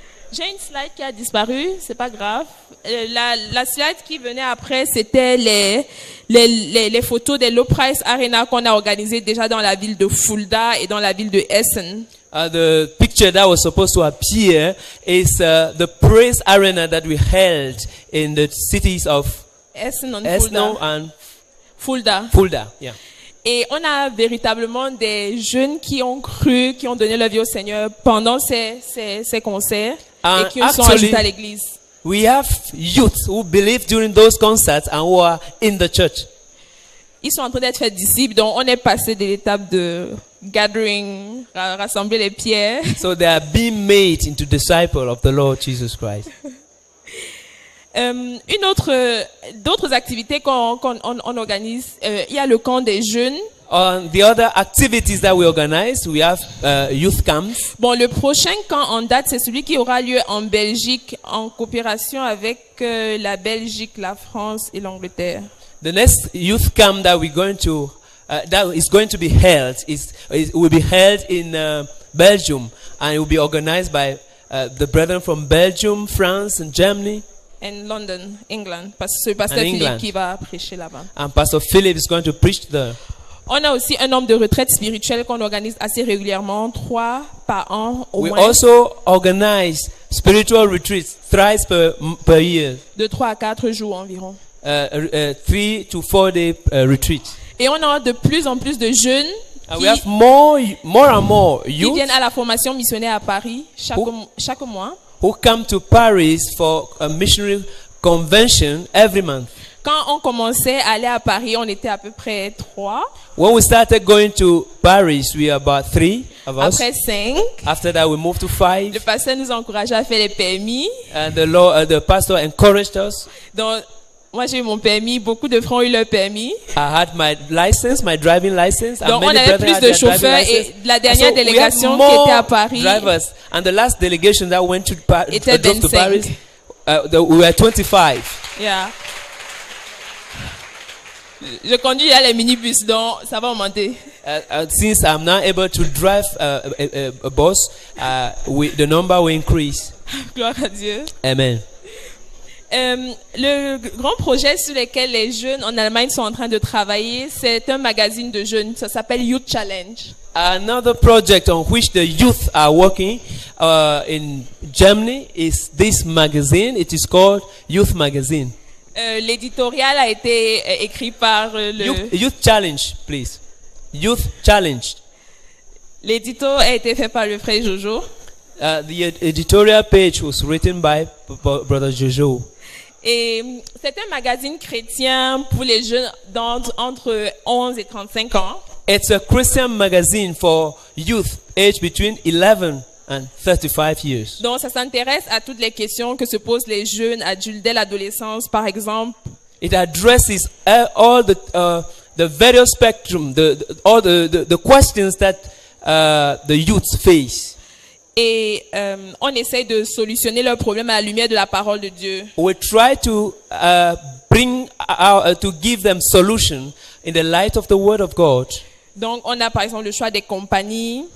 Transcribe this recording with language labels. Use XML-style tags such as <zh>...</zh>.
<fr>J'ai une slide qui a disparu, c'est pas grave. La slide qui venait après, c'était les photos des Lobpreis Arena qu'on a organisées déjà dans la ville de Fulda et dans la ville de Essen.</fr> <en>The picture that was supposed to appear is the Praise Arena that we held in the cities of Essen and Fulda. Fulda, yeah.</en> <fr>Et on a véritablement des jeunes qui ont cru, qui ont donné leur vie au Seigneur pendant ces concerts</fr> <en>and</en> <fr>et qui sont ajoutés à l'église.</fr> <en>We have youth who believe during those concerts and who are in the church.</en> <fr>Ils sont en train d'être faits disciples, donc on est passé de l'étape de gathering, rassembler les pierres.</fr> <en>So they are being made into disciples of the Lord Jesus Christ.</en> <fr>D'autres activités qu'on organise, il y a le camp des jeunes.</fr> <en>On the other activities that we organize, we have youth camps.</en> <fr>Bon, le prochain camp en date, c'est celui qui aura lieu en Belgique, en coopération avec la Belgique, la France et l'Angleterre.</fr> <en>The next youth camp that we're going to will be held in Belgium, and it will be organized by the brethren from Belgium, France and Germany.</en> <fr>In London, England, parce que Pasteur Philippe qui va prêcher là-bas.</fr> <en>And Pastor Philip is going to preach there.</en> <fr>On a aussi un nombre de retraites spirituelles qu'on organise assez régulièrement, 3 par an au moins.</fr> <en>We also organize spiritual retreats thrice per year.</en> <fr>De 3 à 4 jours environ.</fr> <en>3 to 4 day retreat.</en> <fr>Et on a de plus en plus de jeunes.</fr> <en>And we have more and more youth</en> <fr>qui viennent à la formation missionnaire à Paris chaque mois.</fr> <en>Who come to Paris for a missionary convention every month.</en> <fr>Quand on commençait à aller à Paris, on était à peu près 3.</fr> <en>When we started going to Paris, we were about 3 of</en> <fr>Après</fr> <en>us.</en> <fr>Après 5.</fr> <en>After that, we moved to 5.</en> <fr>Le pasteur nous encourageait à faire les permis.</fr> <en>And the pastor encouraged us.</en> <fr>Donc, moi j'ai eu mon permis. Beaucoup de frères ont eu leur permis.</fr> <en>I had my license, my driving license.</en> <fr>Donc, on avait plus de chauffeurs et la dernière délégation qui était à Paris.</fr> <en>Drivers. And the last delegation that went to Paris</en> <fr>était 25.</fr> <en>To Paris, we were 25. Yeah.</en> <fr>Je conduis à les minibus, donc ça va augmenter.</fr> <en>Since I'm not able to drive a bus, the number will increase.</en> <fr>Gloire à Dieu. Amen. Le grand projet sur lequel les jeunes en Allemagne sont en train de travailler, c'est un magazine de jeunes. Ça s'appelle Youth Challenge.</fr> <en>Another project on which the youth are working in Germany is this magazine. It is called Youth Magazine.</en> <fr>L'éditorial a été écrit par le...</fr> <en>Youth Challenge, please. Youth Challenge.</en> <fr>L'édito a été fait par le frère Jojo.</fr> <en>The editorial page was written by Brother Jojo.</en> <fr>Et c'est un magazine chrétien pour les jeunes d'entre 11 et 35 ans.</fr> <en>It's a Christian magazine for youth aged between 11 and 35 years.</en> <fr>Donc ça s'intéresse à toutes les questions que se posent les jeunes adultes dès l'adolescence, par exemple.</fr> <en>It addresses all the various spectrum, the questions that the youth face.</en> <fr>Et on essaie de solutionner leurs problèmes à la lumière de la parole de Dieu.</fr> <en>We try to bring our, to give them solution in the light of the word of God.</en> <fr>Donc on a par exemple le choix des compagnies.</fr>